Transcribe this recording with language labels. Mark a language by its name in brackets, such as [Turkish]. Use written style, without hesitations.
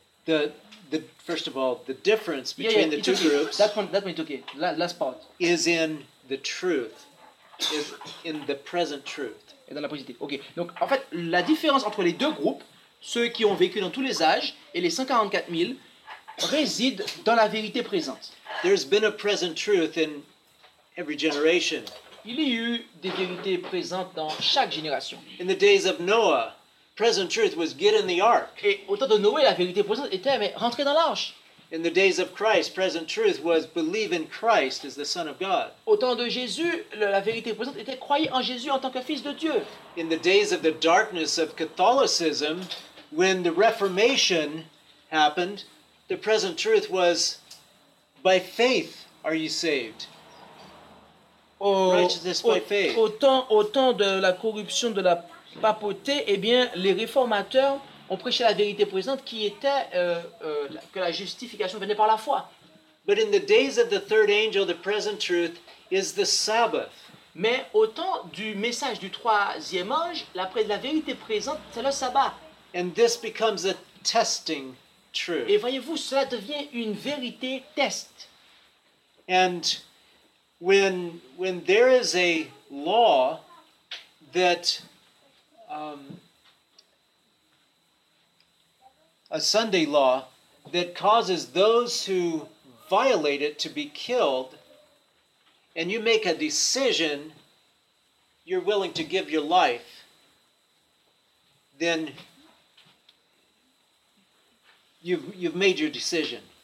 [English] The first of all, the difference between the two groups. That one took it. Last part is in the truth, is in the present truth. [French] Et dans la positive. [English] Okay. [French] Donc en fait, la différence entre les deux groupes, ceux qui ont vécu dans tous les âges et les 144,000, réside dans la vérité présente. [English] There's been a present truth in every generation. [French] Il y a eu des vérités présentes dans chaque génération. [English] In the days of Noah, present truth was get in the ark. [French] Et au temps de Noé, la vérité présente était mais rentrer dans l'arche. [English] In the days of Christ, present truth was believe in Christ as the Son of God. [French] Au temps de Jésus, la vérité présente était croyez en Jésus en tant que fils de Dieu. [English] In the days of the darkness of Catholicism, when the Reformation happened, the present truth was by faith are you saved. [French] Au temps de la corruption de la papauté, eh bien, les réformateurs ont prêché la vérité présente qui était que la justification venait par la foi. [English] But in the days of the third angel, the present truth is the Sabbath. [French] Mais au temps du message du troisième ange, la vérité présente, c'est le sabbat. [English] And this becomes a testing truth. [French] Et voyez-vous, cela devient une vérité test. [English] And when there is a law that a Sunday law that causes those who violate it to be killed, and you make a decision you're willing to give your life, then you've made your decision.